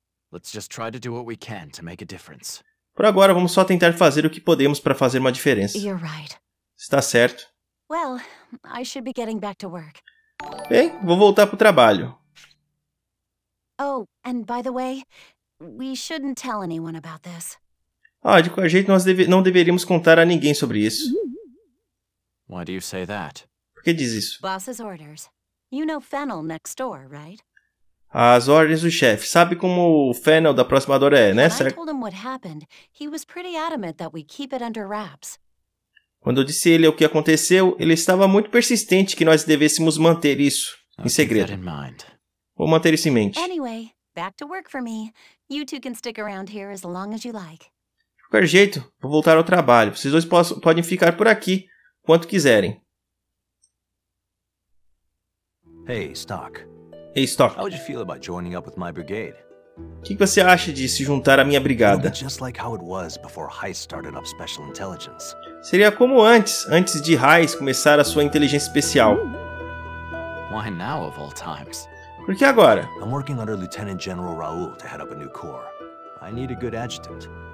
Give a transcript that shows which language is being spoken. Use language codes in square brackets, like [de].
[pt] Por agora, vamos só tentar fazer o que podemos para fazer uma diferença. Está certo. Bem, eu devia estar voltando para o trabalho. Bem, vou voltar pro trabalho. [en] Oh, and by the way, we shouldn't tell anyone about this. [pt] Ah, de qualquer jeito, nós não deveríamos contar a ninguém sobre isso. [en] Why do you say that? [pt] Por que diz isso? [en] Boss's orders. You know Fennel next door, right? [pt] As ordens do chefe. Sabe como o Fennel da próxima door é, né? [en] When I told him what happened, he was pretty adamant that we keep it under wraps. [pt] Quando eu disse a ele o que aconteceu, ele estava muito persistente que nós devêssemos manter isso em segredo. Vou manter isso em mente. [en] Anyway, back to work for me. You two can stick around here as long as you like. [pt] De qualquer jeito, vou voltar ao trabalho. Vocês dois podem ficar por aqui quanto quiserem. [en] Hey, Stock. Hey, Stock. How would you feel about joining up with my brigade? [pt] Que você acha de se juntar à minha brigada? [en] Just like how it was before Heist started up Special Intelligence. [pt] Seria como antes de Heist começar a sua inteligência especial. [en] Why now of all times? [pt] Por que agora? [en] I'm working under Lieutenant General Raul to head up a new corps. I need a good adjutant.